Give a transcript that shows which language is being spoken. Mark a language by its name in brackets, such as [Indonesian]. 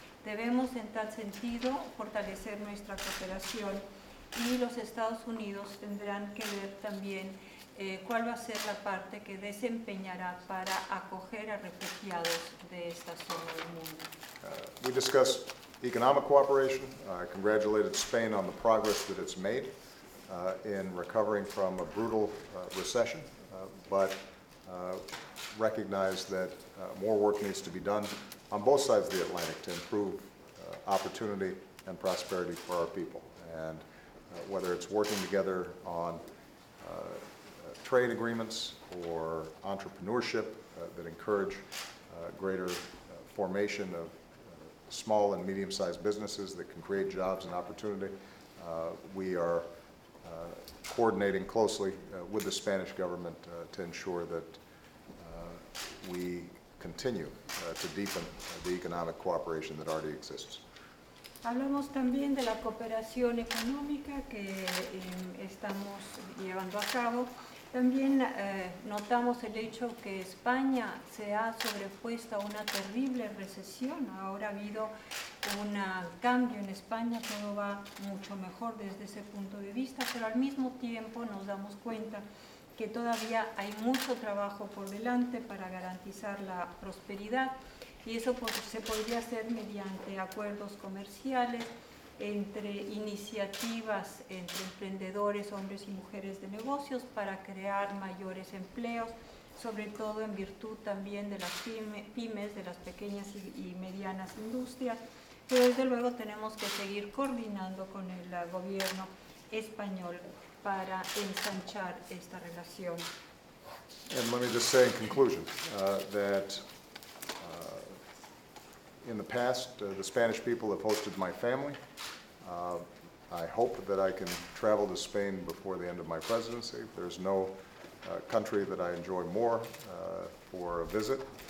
[Spanish] Debemos en tal sentido fortalecer nuestra cooperación y los Estados Unidos tendrán que ver también cuál va a ser la parte que desempeñará para acoger a refugiados de esta zona del mundo. [English] We discussed economic cooperation. I congratulated Spain on the progress that it's made in recovering from a brutal recession, but recognize that more work needs to be done on both sides of the Atlantic to improve opportunity and prosperity for our people. And whether it's working together on trade agreements or entrepreneurship that encourage greater formation of small and medium-sized businesses that can create jobs and opportunity, we are coordinating closely with the Spanish government to ensure that we continue to deepen the economic cooperation that already exists. [Spanish] Hablamos también de la cooperación económica que estamos llevando a cabo. También notamos el hecho que España se ha sobrepuesto a una terrible recesión. Ahora ha habido un cambio en España, todo va mucho mejor desde ese punto de vista, pero al mismo tiempo nos damos cuenta que todavía hay mucho trabajo por delante para garantizar la prosperidad y eso se podría hacer mediante acuerdos comerciales, entre iniciativas, entre emprendedores, hombres y mujeres de negocios para crear mayores empleos, sobre todo en virtud también de las pymes, de las pequeñas y medianas industrias. Pero desde luego tenemos que seguir coordinando con el gobierno español para ensanchar esta relación. [English] And let me just say in conclusion that in the past, the Spanish people have hosted my family. I hope that I can travel to Spain before the end of my presidency. There's no country that I enjoy more for a visit.